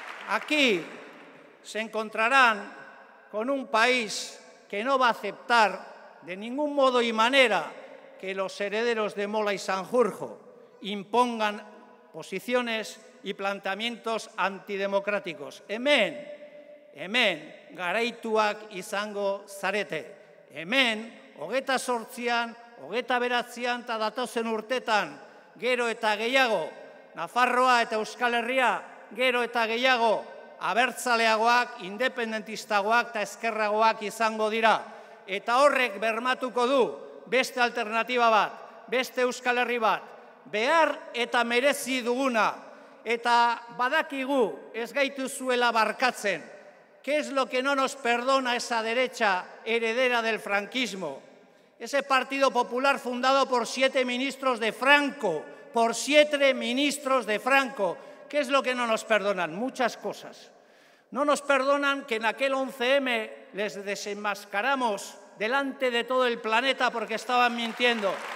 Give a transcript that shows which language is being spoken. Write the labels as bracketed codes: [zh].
[es] Aquí se encontrarán con un país que no va a aceptar de ningún modo y manera que los herederos de Mola y Sanjurjo impongan posiciones y planteamientos antidemocráticos. [eu] Hemen. Hemen, garaituak izango zarete. Hemen, 28an, 29an eta datozen urtetan, gero eta gehiago, Nafarroa eta Euskal Herria, gero eta gehiago, abertzaleagoak, independentistagoak eta ezkerragoak izango dira. Eta horrek bermatuko du beste alternatiba bat, beste Euskal Herri bat, behar eta merezi duguna, eta badakigu ez gaitu zuela barkatzen. [es] ¿Qué es lo que no nos perdona esa derecha heredera del franquismo? Ese Partido Popular fundado por 7 ministros de Franco, por 7 ministros de Franco. ¿Qué es lo que no nos perdonan? Muchas cosas. No nos perdonan que en aquel 11M les desenmascaramos delante de todo el planeta porque estaban mintiendo.